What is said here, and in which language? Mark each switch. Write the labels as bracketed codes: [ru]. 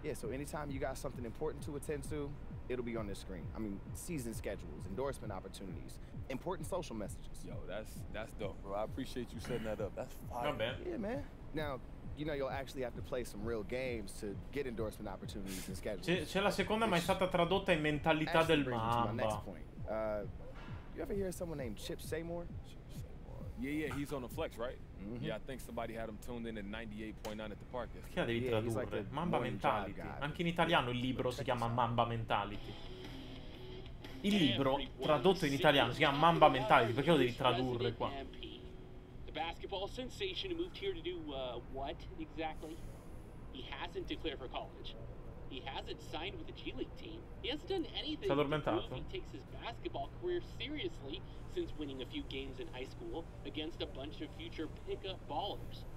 [en] Yeah, so anytime you got something important to attend to, it'll be on this screen. I mean, season schedules, endorsement opportunities, important social messages. Yo, that's dope, bro. I appreciate you setting that up. That's fire. Come on, man. Yeah, man. Now, you know, you'll actually have to play some real games to get endorsement opportunities and schedules. [it] C'è la seconda, ma è stata tradotta in mentalità del Mamba. [en] You ever hear someone named Chip Seymour? Yeah, yeah, he's on the flex, right? Mm-hmm. Yeah, I think somebody had him tuned in at 98.9 at the park. [it] Perché la devi tradurre? Mamba Mentality. Anche in italiano il libro si chiama Mamba Mentality. Il libro tradotto in italiano si chiama Mamba Mentality. Perché lo devi tradurre qua? [en] Basketball sensation moved here to do what exactly? He hasn't declared for college. He hasn't signed with the G League team. He hasn't done anything to prove he takes his basketball career seriously since winning a few games in high school against a bunch of future pickup ballers.